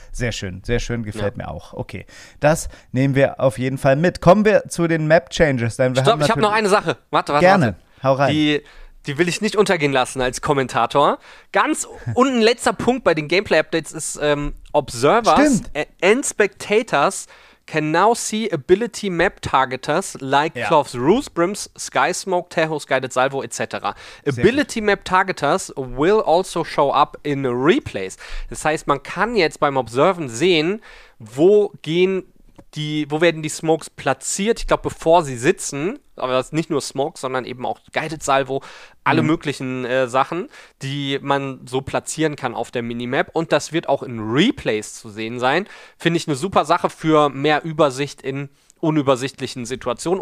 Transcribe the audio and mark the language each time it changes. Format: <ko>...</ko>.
<de>Sehr schön, gefällt mir auch. Okay, das nehmen wir auf jeden Fall mit. Kommen wir zu den Map-Changes. Stopp, ich habe noch eine Sache. Warte. Gerne, hau rein. Die will ich nicht untergehen lassen als Kommentator. Ganz unten letzter Punkt bei den Gameplay-Updates ist Observers. Stimmt.</de> <en>And Spectators can now see Ability Map Targeters like Cloth's Ruse Brims, Sky Smoke, Tejo's Guided Salvo, etc. Ability Map Targeters will also show up in Replays.</en> <de>Das heißt, man kann jetzt beim Observen sehen, wo werden die Smokes platziert. Ich glaube, bevor sie sitzen, aber das ist nicht nur Smoke, sondern eben auch Guided Salvo, alle möglichen Sachen, die man so platzieren kann auf der Minimap. Und das wird auch in Replays zu sehen sein. Finde ich eine super Sache für mehr Übersicht in unübersichtlichen Situationen.</de>